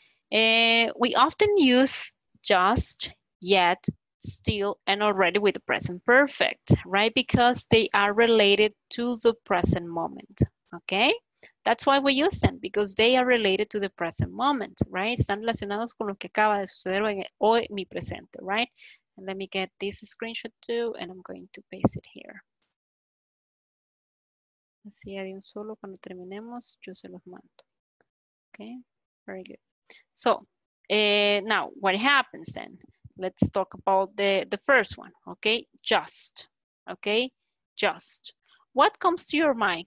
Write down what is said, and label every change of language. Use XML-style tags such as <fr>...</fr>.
<en>We often use just, yet, still, and already with the present perfect, right? Because they are related to the present moment, okay? That's why we use them, because they are related to the present moment, right?</en> <es>Están relacionados con lo que acaba de suceder hoy mi presente, right?</es> <en>And let me get this screenshot too, and I'm going to paste it here.</en> <es>Así de un solo cuando terminemos, yo se los mando.</es> <en>Okay, very good. So, now, what happens then? Let's talk about the first one, okay? Just, okay? Just. What comes to your mind?</en>